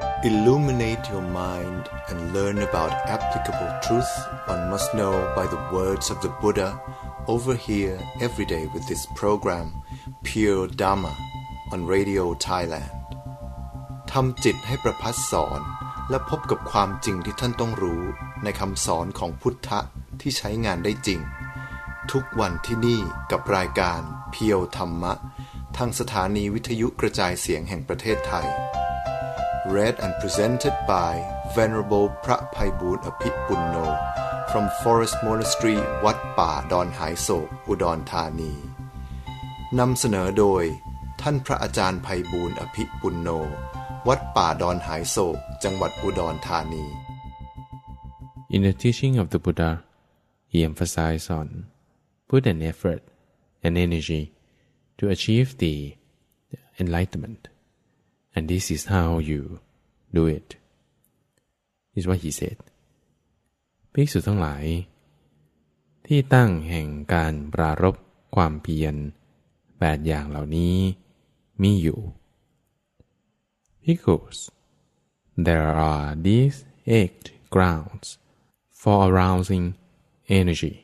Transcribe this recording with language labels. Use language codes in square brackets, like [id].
[en] Illuminate your mind and learn about applicable truth one must know by the words of the Buddha over here every day with this program, Pure Dharma, on Radio Thailand. [th] ทำจิตให้ประพัสสอนและพบกับความจริงที่ท่านต้องรู้ในคำสอนของพุทธะที่ใช้งานได้จริงทุกวันที่นี่กับรายการเพียวธรรมะทางสถานีวิทยุกระจายเสียงแห่งประเทศไทย [en] Read and presented by Venerable พระไพบูลย์อภิปุณโญ from Forest Monastery [th] วัดป่าดอนหายโศกอุดรธานีนำเสนอโดยท่านพระอาจารย์ไพบูลย์อภิปุณโญวัดป่าดอนหายโศกจังหวัดอุดรธานี [en] In the teaching of the Buddha, he emphasized on put an effort and energy to achieve the enlightenment, and this is how you do it. This is what he said. [th] ภิกษุทั้งหลายที่ตั้งแห่งการปรารภความเพียร8อย่างเหล่านี้มีอยู่ [en] Because there are these 8 grounds for arousing energy.